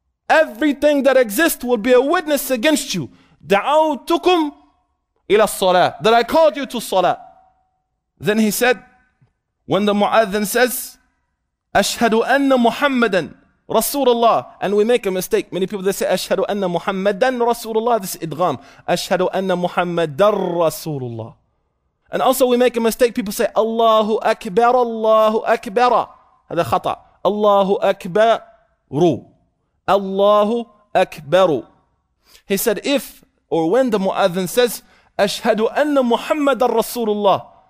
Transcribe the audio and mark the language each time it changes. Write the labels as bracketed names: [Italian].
[English] Everything that exists will be a witness against you. [Arabic] دَعَوْتُكُمْ إِلَى الصَّلَاةِ. [English] That I called you to salah. Then he said, when the muezzin says, [Arabic] أَشْهَدُ أَنَّ مُحَمَّدًا رَسُولَ اللَّهِ. [English] And we make a mistake. Many people, they say, [Arabic] أَشْهَدُ أَنَّ مُحَمَّدًا رَسُولَ اللَّهِ. [English] This is idgham. [Arabic] أَشْهَدُ أَنَّ مُحَمَّدًا رَسُولَ اللَّهِ. [English] And also we make a mistake. People say, Allahu Akbar, Allahu Akbar. [Arabic] هذا خطأ. Allahu Akbar. Allahu Akbar. [English] He said, if or when the muezzin says, [Arabic] أَشْهَدُ أَنَّ مُحَمَّدًا رَسُولَ اللَّهِ.